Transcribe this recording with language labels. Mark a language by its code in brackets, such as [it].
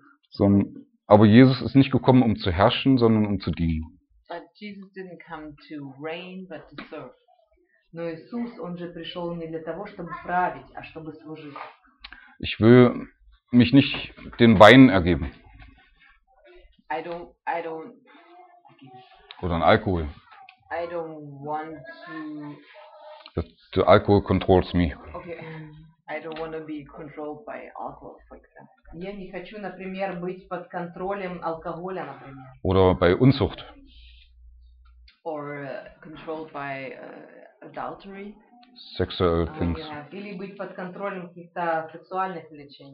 [de] So, aber Jesus ist nicht gekommen, um zu herrschen, sondern um zu dienen. [en] But Jesus didn't come to reign, but to serve. [ru] Но Иисус, он же пришел не для того, чтобы править, а чтобы служить. [de] Ich will mich nicht den Wein ergeben. [en] I don't. [de] Oder an Alkohol. [en] I don't want to. The alcohol controls me. Okay. I don't want to be controlled by alcohol, for example. [ru] Я не хочу, например, быть под контролем алкоголя, например. [de] Oder bei Unzucht. [en] Or controlled by adultery. Sexual things. [ru] Или быть под контролем каких-то сексуальных влечений.